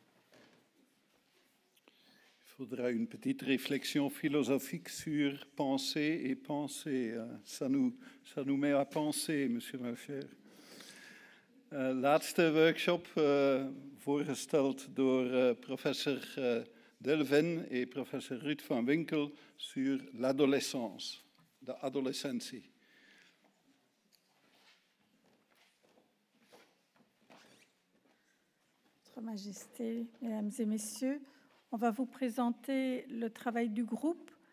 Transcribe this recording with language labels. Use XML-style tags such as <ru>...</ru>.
<fr>Il faudra une petite réflexion philosophique sur penser et penser. Ça nous met à penser, monsieur Meufer.</fr> <nl>Laatste workshop, voorgesteld door professor</nl> <fr>Delven et professeur Ruud van Winkel sur l'adolescence,</fr> <nl>de adolescentie.</nl> <fr>Votre Majesté, Mesdames et Messieurs, on va vous présenter le travail du groupe.</fr>